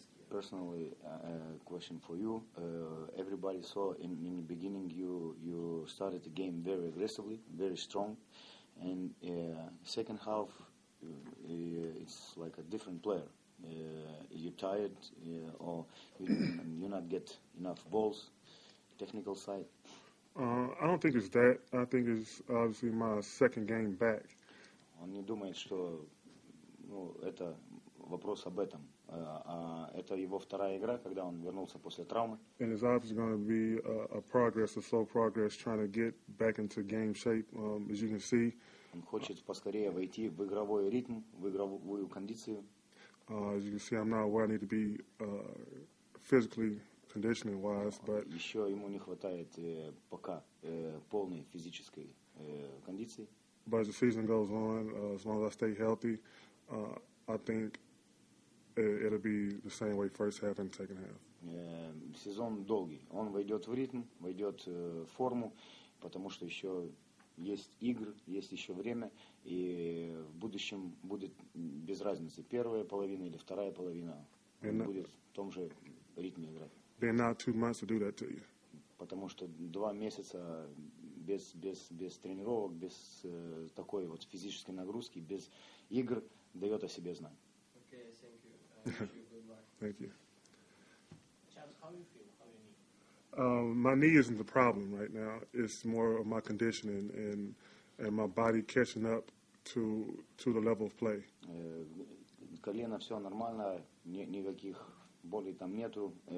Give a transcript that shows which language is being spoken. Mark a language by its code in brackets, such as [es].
[en] Personally, question for you. Everybody saw in the beginning you started the game very aggressively, very strong, and second half it's like a different player. You're tired, or you not get enough balls, technical side. I don't think it's that. I think it's obviously my second game back. [ru] Он не думает, что это вопрос об этом. Это его вторая игра, когда он вернулся после травмы. [en] And it's obviously going to be a progress, a slow progress, trying to get back into game shape, as you can see. [ru] Он хочет поскорее войти в игровой ритм, в игровую кондицию. [en] As you can see, I'm not where I need to be physically. Conditioning-wise, but [ru] еще ему не хватает пока полной физической кондиции. [en] But as the season goes on, as long as I stay healthy, I think it'll be the same way first half and second half. [ru] Сезон долгий. Он войдет в ритм, войдет в форму, потому что еще есть игры, есть еще время, и в будущем будет без разницы, первая половина или вторая половина, он будет в том же ритме играть. [en] Been now 2 months to do that to you. [ru] Потому что 2 месяца без тренировок, без такой вот физической нагрузки, без игр дает о себе знать. [en] Okay, thank you. Good luck. Thank you. Charles, how do you feel? How do you need? My knee isn't the problem right now. It's more of my conditioning and my body catching up to the level of play. [ru] Колено все нормально, никаких боли там нету.